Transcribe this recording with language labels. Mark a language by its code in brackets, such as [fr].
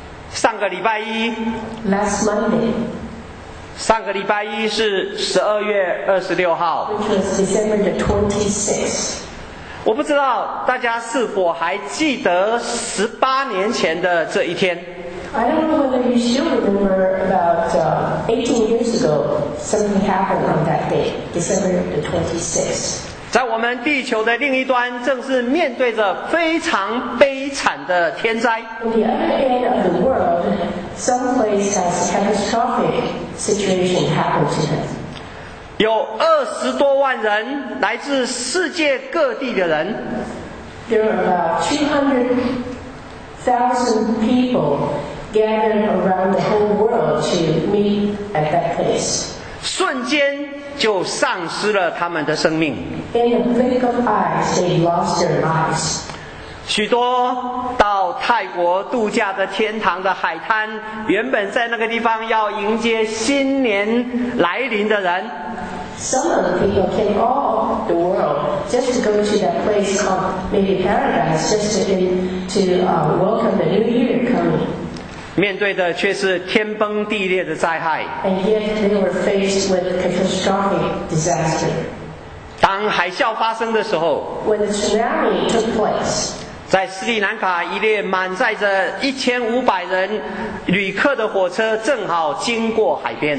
[zh] 上个礼拜一。 [en] Last Monday. [zh] 上个礼拜一是12月26号。 [en] Which was December the 26th. [zh] 我不知道大家是否还记得18年前的这一天。 [en] I don't know whether you still remember about 18 years ago, something happened on that day, December the 26th. [zh] 在我们地球的另一端，正是面对着非常悲惨的天灾。 [en] On the other end of the world, some place has catastrophic situation happened to them. [zh] 有20多万人来自世界各地的人。 [en] There are about 200,000 people gathered around the whole world to meet at that place. [zh] 瞬间就丧失了他们的生命。 [en] In a blink of eyes, they lost their lives. [zh] 许多到泰国度假的天堂的海滩，原本在那个地方要迎接新年来临的人。 [en] Some of the people came all the world just to go to that place called maybe paradise, just to welcome the new year coming. [zh] 面对的却是天崩地裂的灾害。 [en] And yet they were faced with catastrophic disaster. [zh] 当海啸发生的时候 [en] ，When the tsunami took place. [zh] 在斯里兰卡一列满载着1500人旅客的火车正好经过海边。